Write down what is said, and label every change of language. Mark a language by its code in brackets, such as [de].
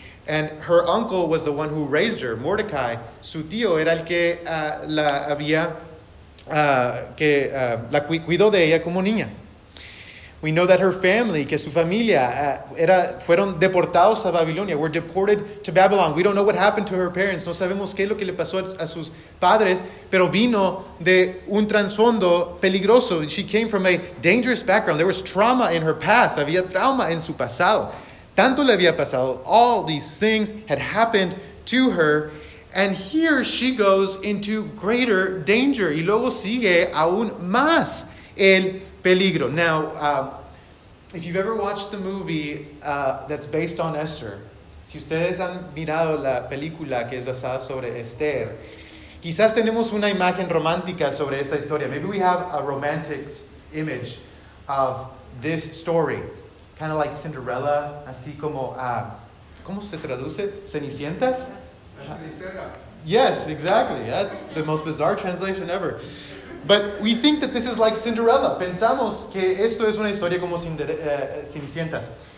[en] And her uncle was the one who raised her, Mordecai. [es] Su tío era el que la cuidó de ella como niña. [en] We know that her family, [es] que su familia, fueron deportados a Babilonia, [en] were deported to Babylon. We don't know what happened to her parents. [es] No sabemos qué es lo que le pasó a sus padres, pero vino de un trasfondo peligroso. [en] She came from a dangerous background. There was trauma in her past. [es] Había trauma en su pasado. Tanto le había pasado. [en] All these things had happened to her. And here she goes into greater danger. [es] Y luego sigue aún más el peligro. [en] Now, if you've ever watched the movie that's based on Esther, [es] si ustedes han mirado la película que es basada sobre Esther, quizás tenemos una imagen romántica sobre esta historia. [en] Maybe we have a romantic image of this story, kind of like Cinderella, [es] así como, ¿cómo se traduce? ¿Cenicientas? [en] Yes, exactly. That's the most bizarre translation ever. But we think that this is like Cinderella. [es] Pensamos que esto es una historia como Cenicientas.